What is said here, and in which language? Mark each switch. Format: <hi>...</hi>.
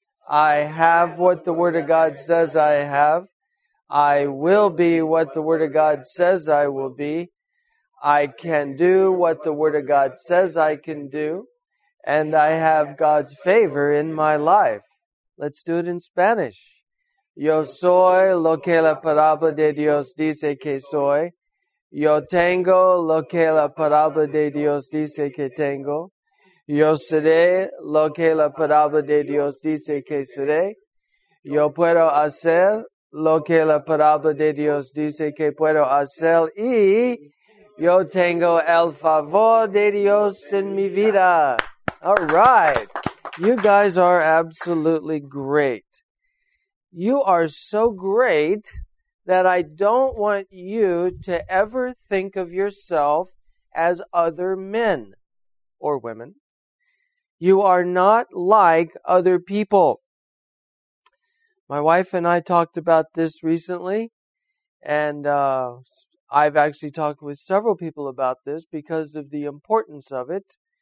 <en>I have what the Word of God says I have. I will be what the Word of God says I will be. I can do what the Word of God says I can do. And I have God's favor in my life. Let's do it in Spanish.</en> <es>Yo soy lo que la palabra de Dios dice que soy. Yo tengo lo que la palabra de Dios dice que tengo. Yo seré lo que la palabra de Dios dice que seré. Yo puedo hacer lo que la palabra de Dios dice que puedo hacer. Y yo tengo el favor de Dios en mi vida.</es> <en>All right. You guys are absolutely great. You are so great that I don't want you to ever think of yourself as other men or women. You are not like other people. My wife and I talked about this recently, and I've actually talked with several people about this because of the importance of it.</en>